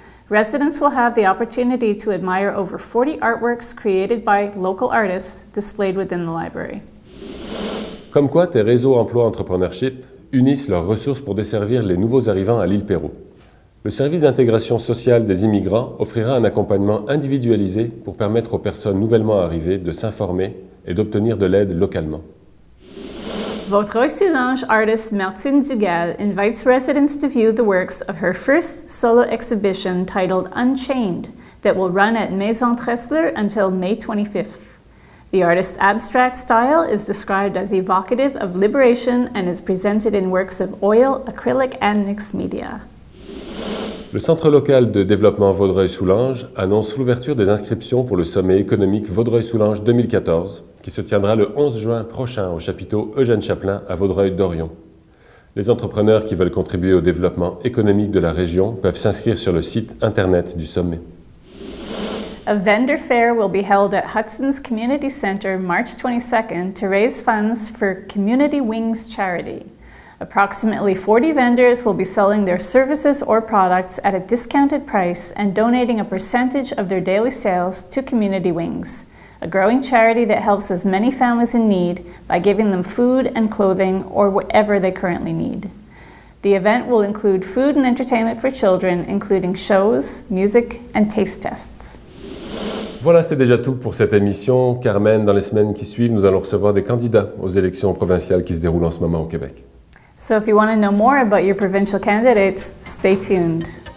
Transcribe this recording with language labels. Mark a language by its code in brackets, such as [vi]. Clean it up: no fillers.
[en] Residents will have the opportunity to admire over 40 artworks created by local artists displayed within the library. [fr] Comme quoi, tes réseaux emploi entrepreneurship unissent leurs ressources pour desservir les nouveaux arrivants à l'île Perrot. Le service d'intégration sociale des immigrants offrira un accompagnement individualisé pour permettre aux personnes nouvellement arrivées de s'informer et d'obtenir de l'aide localement. [en] Vaudreuil-Soulanges artist Martine Dugal invites residents to view the works of her first solo exhibition titled Unchained that will run at Maison Tressler until May 25th. The artist's abstract style is described as evocative of liberation and is presented in works of oil, acrylic and mixed media. [fr] Le Centre local de développement Vaudreuil-Soulanges annonce l'ouverture des inscriptions pour le sommet économique Vaudreuil-Soulanges 2014, qui se tiendra le 11 juin prochain au chapiteau Eugène Chaplin à Vaudreuil-Dorion. Les entrepreneurs qui veulent contribuer au développement économique de la région peuvent s'inscrire sur le site internet du sommet. [en] A vendor fair will be held at Hudson's Community Center March 22nd to raise funds for Community Wings Charity. Approximately 40 vendors will be selling their services or products at a discounted price and donating a percentage of their daily sales to Community Wings, a growing charity that helps as many families in need by giving them food and clothing or whatever they currently need. The event will include food and entertainment for children, including shows, music, and taste tests. [fr] Voilà, c'est déjà tout pour cette émission. Carmen, dans les semaines qui suivent, nous allons recevoir des candidats aux élections provinciales qui se déroulent en ce moment au Québec. [en] So if you want to know more about your provincial candidates, stay tuned.